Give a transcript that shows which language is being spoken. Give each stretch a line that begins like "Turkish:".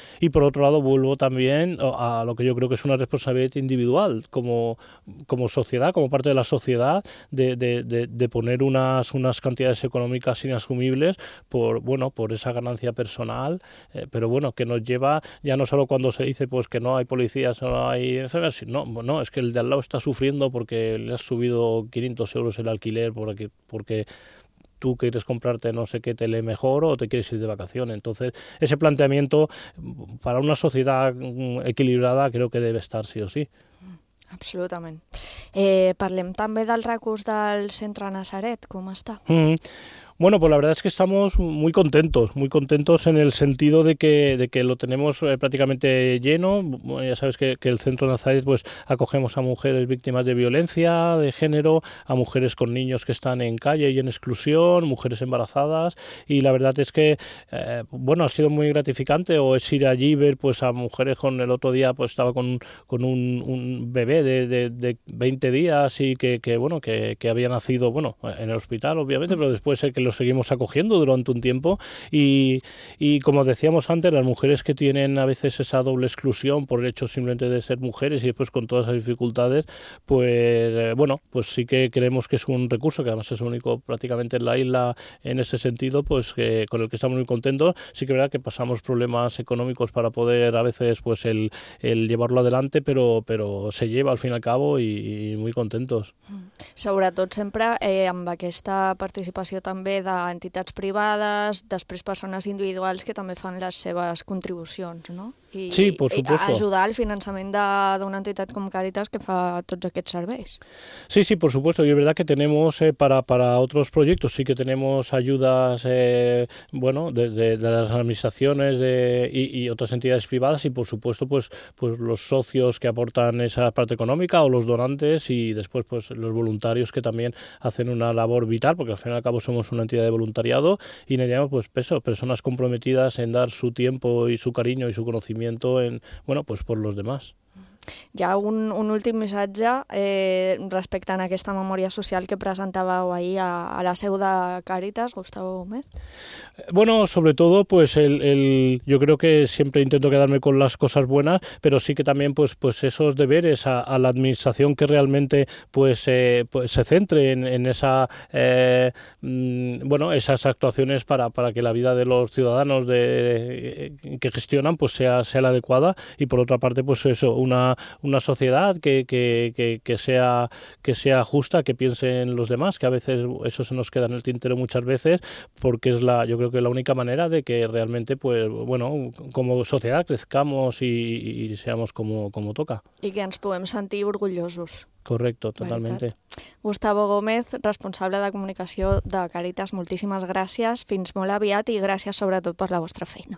Spanish: Y por otro lado, vuelvo también a lo que yo creo que es una responsabilidad individual como sociedad, como parte de la sociedad, de poner unas cantidades económicas inasumibles por esa ganancia personal, pero bueno, que nos lleva ya no solo cuando se dice pues que no hay policías, no hay enfermeras, no, es que el de al lado está sufriendo porque le has subido 500 euros el alquiler porque tú quieres comprarte no sé qué tele mejor o te quieres ir de vacaciones. Entonces, ese planteamiento para una sociedad equilibrada creo que debe estar sí o sí.
Catalan: Absolutament. Parlem també del recurs del Centre Nazaret, com està?
Spanish: Bueno, pues la verdad es que estamos muy contentos en el sentido de que lo tenemos prácticamente lleno. Bueno, ya sabes que el Centro Nazaret pues acogemos a mujeres víctimas de violencia de género, a mujeres con niños que están en calle y en exclusión, mujeres embarazadas, y la verdad es que bueno, ha sido muy gratificante, o es ir allí ver pues a mujeres con, el otro día pues estaba con un bebé de 20 días y que había nacido, bueno, en el hospital obviamente, pero después que lo seguimos acogiendo durante un tiempo, y como decíamos antes, las mujeres que tienen a veces esa doble exclusión por el hecho simplemente de ser mujeres y después con todas esas dificultades, pues bueno, pues sí que creemos que es un recurso que además es único prácticamente en la isla en ese sentido, pues que con el que estamos muy contentos. Sí que es verdad que pasamos problemas económicos para poder a veces pues el llevarlo adelante, pero se lleva al fin y al cabo, y muy contentos.
Catalan: Sobretot sempre amb aquesta participació també d'entitats privades, després persones individuals que també fan les seves contribucions, no?
Spanish: Sí, por supuesto. Y ayudar al financiamiento de una entidad como Cáritas que hace todos estos servicios. Sí, sí, por supuesto. Y es verdad que tenemos para otros proyectos, sí que tenemos ayudas, bueno, de las administraciones y otras entidades privadas, y por supuesto pues los socios que aportan esa parte económica, o los donantes, y después pues los voluntarios que también hacen una labor vital, porque al fin y al cabo somos una entidad de voluntariado y necesitamos pues eso, personas comprometidas en dar su tiempo y su cariño y su conocimiento por los demás.
Catalan: Hi ha un últim missatge respecte a aquesta memòria social que presentàveu ahir a la seu de Càritas, Gustavo Gómez.
Spanish: Bueno, sobre todo, pues el yo creo que siempre intento quedarme con las cosas buenas, pero sí que también pues esos deberes a la administración, que realmente pues se centre en esa esas actuaciones para que la vida de los ciudadanos que gestionan pues sea la adecuada, y por otra parte pues eso, una sociedad que sea justa, que piense en los demás, que a veces eso se nos queda en el tintero muchas veces, porque es la única manera de que realmente pues bueno, como sociedad crezcamos y seamos como toca.
Catalan: Y que ens puguem sentir orgullosos.
Spanish: Correcto, totalmente.
Catalan: Gustavo Gómez, responsable de comunicació de Càritas, moltíssimes gràcies, fins molt aviat, i gràcies sobretot per la vostra feina.